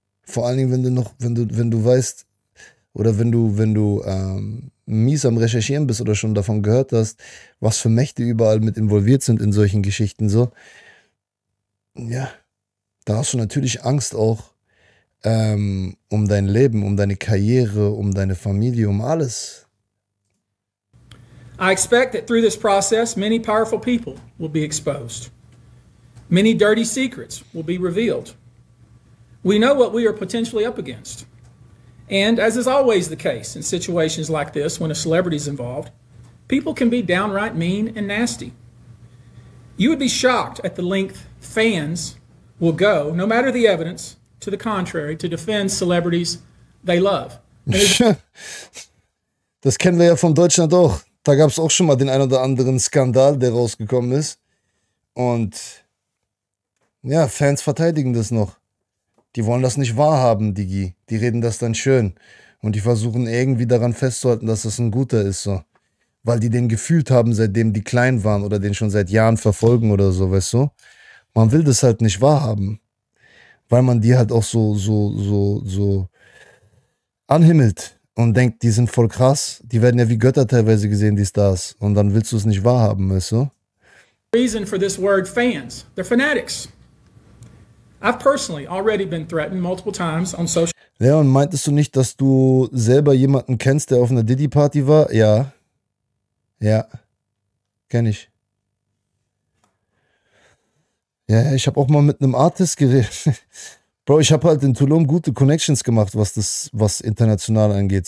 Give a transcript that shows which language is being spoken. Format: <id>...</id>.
<de>Vor allen Dingen, wenn du mies am Recherchieren bist oder schon davon gehört hast, was für Mächte überall mit involviert sind in solchen Geschichten. So. Ja, da hast du natürlich Angst auch um dein Leben, um deine Karriere, um deine Familie, um alles.</de> <en>I expect that through this process many powerful people will be exposed. Many dirty secrets will be revealed. We know what we are potentially up against. And as is always the case in situations like this, when a celebrity is involved, people can be downright mean and nasty. You would be shocked at the length fans will go, no matter the evidence, to the contrary, to defend celebrities they love.</en> <de>Das kennen wir ja von Deutschland auch. Da gab es auch schon mal den ein oder anderen Skandal, der rausgekommen ist. Und ja, Fans verteidigen das noch. Die wollen das nicht wahrhaben, Digi. Die reden das dann schön. Und die versuchen irgendwie daran festzuhalten, dass das ein guter ist, so. Weil die den gefühlt haben, seitdem die klein waren oder den schon seit Jahren verfolgen oder so, weißt du? Man will das halt nicht wahrhaben. Weil man die halt auch so anhimmelt und denkt, die sind voll krass. Die werden ja wie Götter teilweise gesehen, die Stars. Und dann willst du es nicht wahrhaben, weißt du?</de> <en>Reason for this word fans. They're fanatics. I've personally already been threatened multiple times on social.</en> <de>Leon, meintest du nicht, dass du selber jemanden kennst, der auf einer Diddy Party war? Ja. Ja. Kenn ich. Ja, ich habe auch mal mit einem Artist geredet. Bro, ich habe halt in Tulum gute Connections gemacht, was international angeht.</de>